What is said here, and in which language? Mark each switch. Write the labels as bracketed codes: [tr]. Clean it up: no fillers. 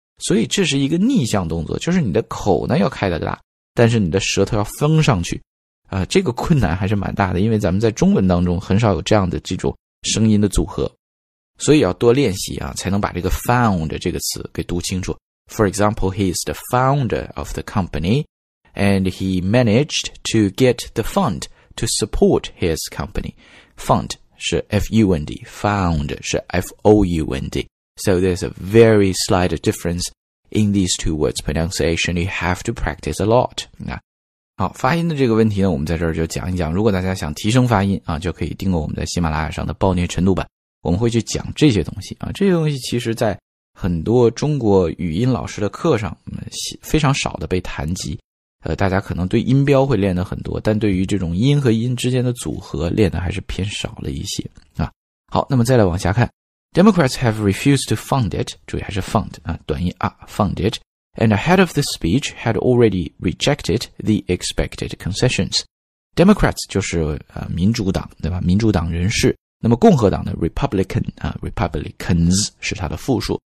[zh] 所以这是一个逆向动作，就是你的口呢要开得大，但是你的舌头要封上去。这个困难还是蛮大的，因为咱们在中文当中很少有这样的这种声音的组合，所以要多练习啊，才能把这个 found 这个词给读清楚。 [en] For example, he is the founder of the company, and he managed to get the fund to support his company. Fund 是 F-U-N-D, found 是 F-O-U-N-D. So there's a very slight difference in these two words pronunciation. You have to practice a lot. [zh] 好，发音的这个问题呢，我们在这儿就讲一讲。如果大家想提升发音啊，就可以订购我们在喜马拉雅上的暴虐程度版。我们会去讲这些东西啊，这些东西其实在很多中国语音老师的课上非常少的被谈及，大家可能对音标会练的很多，但对于这种音和音之间的组合练的还是偏少了一些啊。好，那么再来往下看。 [en] Democrats have refused to fund it, [zh] 注意还是 [en] fund, [zh] 啊短音啊 [en] fund it, and ahead of the speech had already rejected the expected concessions. [zh] Democrats 就是民主党，对吧，民主党人士。那么共和党的 Republican, 啊 Republicans 是他的复数。